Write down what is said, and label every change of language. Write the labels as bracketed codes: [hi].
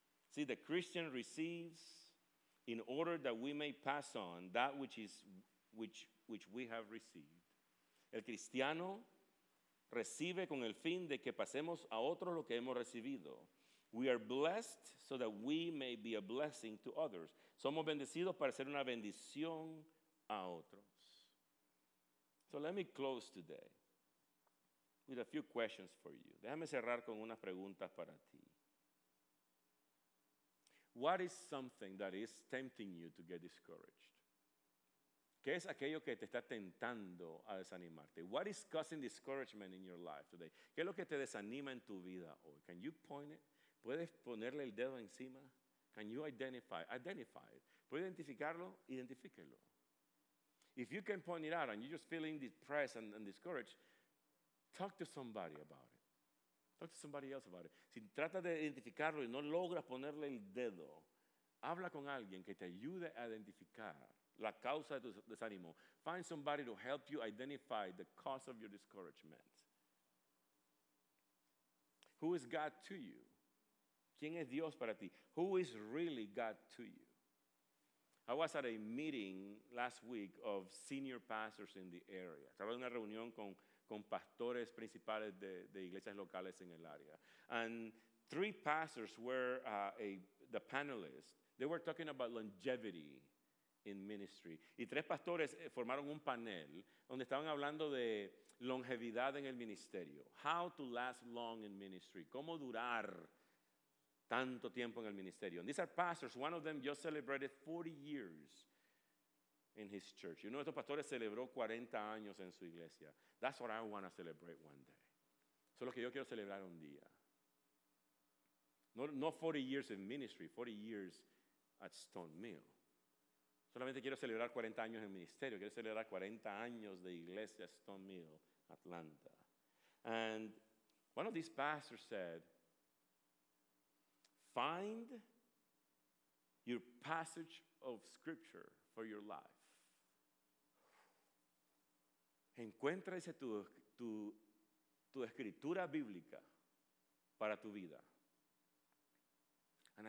[en] See, the Christian receives in order that we may pass on that which we have received. [es] El cristiano recibe con el fin de que pasemos a otros lo que hemos recibido. [en] We are blessed so that we may be a blessing to others. [es] Somos bendecidos para ser una bendición a otros. [en] So let me close today with a few questions for you. [es] Déjame cerrar con unas preguntas para ti. [en] What is something that is tempting you to get discouraged? [es] ¿Qué es aquello que te está tentando a desanimarte? [en] What is causing discouragement in your life today? [es] ¿Qué es lo que te desanima en tu vida hoy? [en] Can you point it? [es] ¿Puedes ponerle el dedo encima? [en] Can you identify? Identify it. [es] ¿Puedes identificarlo? Identifíquelo. [en] If you can point it out and you're just feeling depressed and discouraged, talk to somebody about it. Talk to somebody else about it. [es] Si trata de identificarlo y no logras ponerle el dedo, habla con alguien que te ayude a identificar la causa de tu desánimo. [en] Find somebody to help you identify the cause of your discouragement. Who is God to you? [es] ¿Quién es Dios para ti? [en] Who is really God to you? I was at a meeting last week of senior pastors in the area. [es] Estaba en una reunión con pastores principales de iglesias locales en el área. [en] And three pastors were the panelists. They were talking about longevity in ministry. [es] Y tres pastores formaron un panel donde estaban hablando de longevidad en el ministerio. [en] How to last long in ministry. [es] Cómo durar tanto tiempo en el ministerio. [en] And these are pastors. One of them just celebrated 40 years in his church. You know, [es] estos pastores celebró 40 años en su iglesia. [en] That's what I want to celebrate one day. [es] Eso es lo que yo quiero celebrar un día. [en] No 40 years in ministry, 40 years at Stone Mill. [es] Solamente quiero celebrar 40 años en ministerio. Quiero celebrar 40 años de iglesia Stone Mill, Atlanta. [en] And one of these pastors said, find your passage of scripture for your life. [es] Encuentra ese tu escritura bíblica para tu vida. And